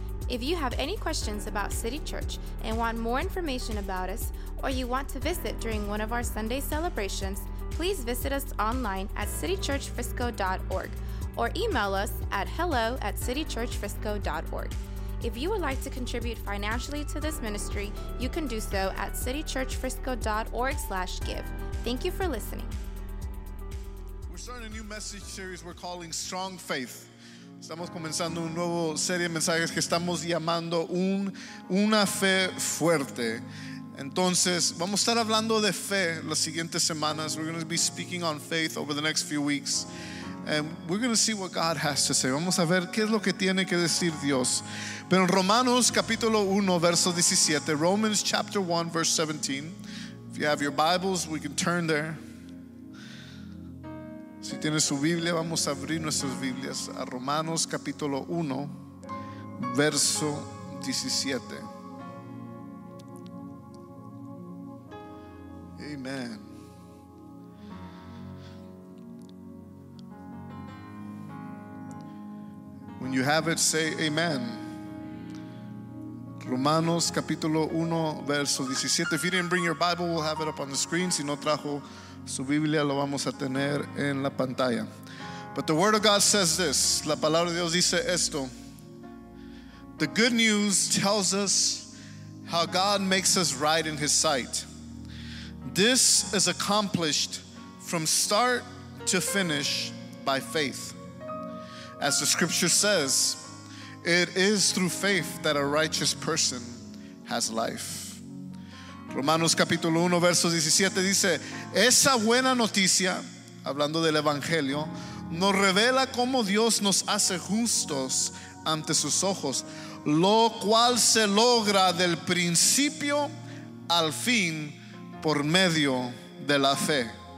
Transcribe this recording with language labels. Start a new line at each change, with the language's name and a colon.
English: If you have any questions about City Church and want more information about us, or you want to visit during one of our Sunday celebrations, please visit us online at citychurchfrisco.org or email us at hello@citychurchfrisco.org. If you would like to contribute financially to this ministry, you can do so at citychurchfrisco.org/give. Thank you for listening. We're starting a new message series we're calling Strong Faith.
Spanish: Estamos comenzando un nuevo serie de mensajes que estamos llamando una fe fuerte. Entonces, vamos a estar hablando de fe las siguientes semanas.
English: We're going to be speaking on faith over the next few weeks. And we're going to see what God has to say.
Spanish: Vamos a ver qué es lo que tiene que decir Dios. Pero en Romanos capítulo 1, verso 17.
English: Romans chapter 1, verse 17. If you have your Bibles, we can turn there.
Spanish: Si tiene su Biblia, vamos a abrir nuestras Biblias a Romanos capítulo 1, verso 17.
English: Amen. When you have it, say amen.
Spanish: Romanos capítulo 1, verso 17.
English: If you didn't bring your Bible, we'll have it up on the screen.
Spanish: Si no trajo su Biblia, lo vamos a tener en la pantalla.
English: But the word of God says this.
Spanish: La palabra de Dios dice esto.
English: The good news tells us how God makes us right in his sight. This is accomplished from start to finish by faith. As the scripture says, it is through faith that a righteous person has life.
Spanish: Romanos capítulo 1, verso 17 dice, esa buena noticia, hablando del evangelio, nos revela cómo Dios nos hace justos ante sus ojos, lo cual se logra del principio al fin por medio de la fe.